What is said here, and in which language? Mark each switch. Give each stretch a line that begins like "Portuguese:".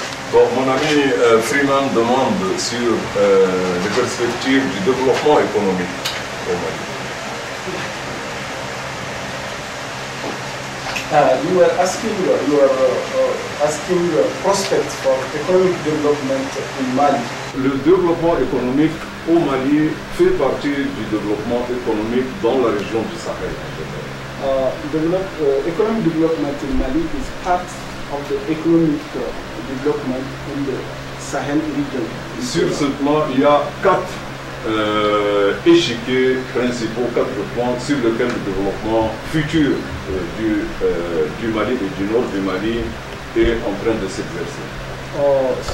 French: Bon, mon ami Freeman demande sur les perspectives du développement économique au Mali.
English: You were asking prospects for economic development in Mali.
French: Le développement économique au Mali fait partie du développement économique dans la région du Sahel.
English: Economic development in Mali is part of the economic development in the Sahel region.
French: Sur ce plan, il y a quatre échiquiers principaux, quatre points sur lesquels le développement futur du Mali et du nord du Mali est en train de s'exercer.